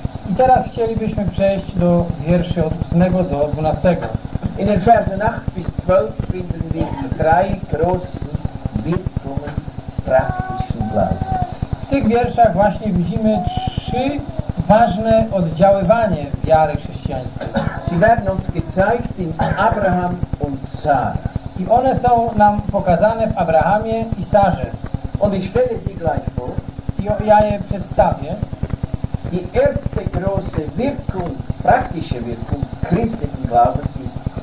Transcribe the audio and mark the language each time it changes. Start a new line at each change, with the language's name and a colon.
Polish: I teraz chcielibyśmy przejść do wierszy od 8 do 12.
German: In den Versen 8 bis 12 finden wir die drei großen Wirkungen praktischen Glaubens.
Polish: W tych wierszach właśnie widzimy trzy ważne oddziaływanie wiary chrześcijańskiej.
German: Sie werden uns gezeigt in Abraham und Sara.
Polish: I one są nam pokazane w Abrahamie i Sarze.
German: Und ich stelle sie gleich vor.
Polish: I ja je przedstawię.
German: Die erste große Wirkung, praktische Wirkung christlichen Glaubens ist